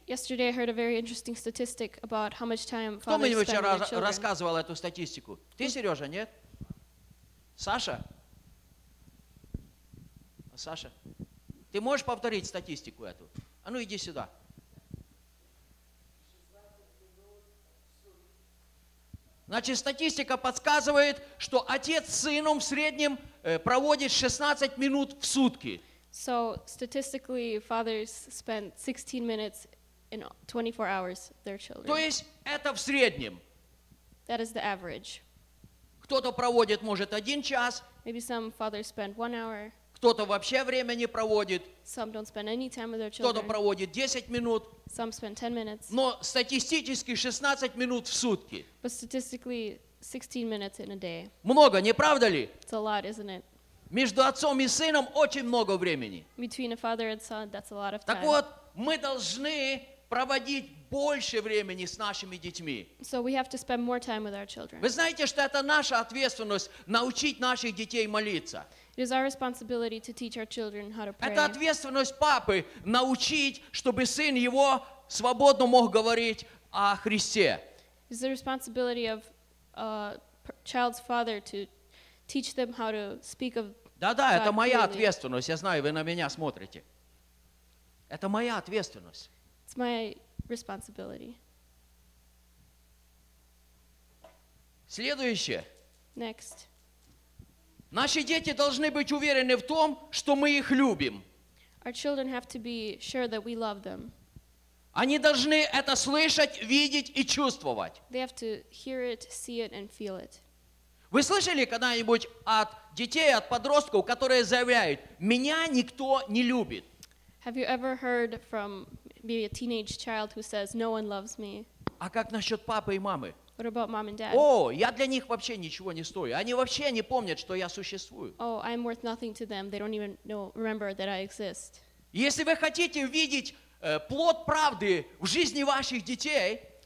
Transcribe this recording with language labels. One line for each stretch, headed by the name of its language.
English: Yesterday I heard a very interesting statistic about how much time fathers spend with their children.
Russian: Кто мне рассказывал эту статистику? Ты, Сережа, нет? Саша? Саша, ты можешь повторить статистику эту? А ну иди сюда. Значит, статистика подсказывает, что отец с сыном в среднем проводит 16 минут в сутки.
English: So, statistically, fathers spend 16 minutes in 24 hours their children.
Russian: То есть, это в среднем.
English: That is the average.
Russian: Кто-то проводит, может, один час.
English: Maybe some fathers spend one hour.
Russian: Кто-то вообще время не проводит.
English: Some don't spend any time with their children.
Russian: Кто-то проводит 10 минут.
English: Some spend 10 minutes.
Russian: Но статистически 16 минут в сутки.
English: But statistically, 16 minutes in a day.
Russian: Много, не правда ли?
English: It's a lot, isn't it?
Russian: Между отцом и сыном очень много времени.
English: Between a father and son, that's a lot of time.
Russian: Так вот, мы должны проводить больше времени с нашими детьми.
English: So we have to spend more time with our children.
Russian: Вы знаете, что это наша ответственность научить наших детей молиться.
English: It is our responsibility to teach our children how to pray.
Russian: Это ответственность папы научить, чтобы сын его свободно мог говорить о Христе.
English: It is the responsibility of a child's father to teach them how to speak of
Russian: God. Да-да, это моя ответственность. Я знаю, вы на меня смотрите. Это моя ответственность.
English: It's my responsibility.
Russian: Следующее.
English: Next.
Russian: Наши дети должны быть уверены в том, что мы их любим.
English: Our children have to be sure that we love them.
Russian: Они должны это слышать, видеть и чувствовать.
English: They have to hear it, see it, and feel it.
Russian: Вы слышали когда-нибудь от детей, от подростков, которые заявляют: «Меня никто не любит»?
English: Have you ever heard from maybe a teenage child who says, "No one loves me"?
Russian: А как насчет папы и мамы?
English: What about mom and dad?
Russian: О, я для них вообще ничего не стою. Они вообще не помнят, что я существую.
English: Oh, I'm worth nothing to them. They don't even know, remember that I exist.
Russian: Если вы хотите видеть плод правды в жизни ваших детей,